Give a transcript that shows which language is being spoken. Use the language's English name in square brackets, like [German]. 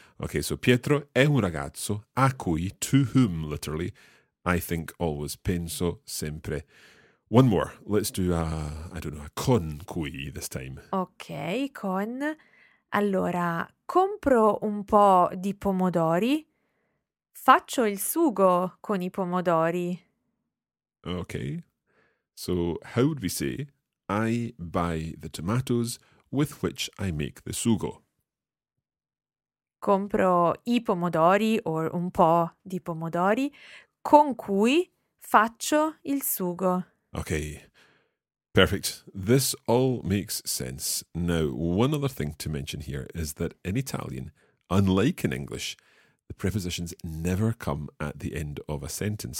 [English] Ok, so [Italian] Pietro è un ragazzo a cui, [English] to whom, literally, I think always, [Italian] penso sempre. [English] One more. Let's do a con cui this time. [Italian] Ok, con. Allora, compro un po' di pomodori, faccio il sugo con i pomodori. Ok. [English] So, how would we say, I buy the tomatoes with which I make the sugo? [Italian] Compro i pomodori, or un po' di pomodori, con cui faccio il sugo. [English] Okay, perfect. This all makes sense. Now, one other thing to mention here is that in Italian, unlike in English, the prepositions never come at the end of a sentence.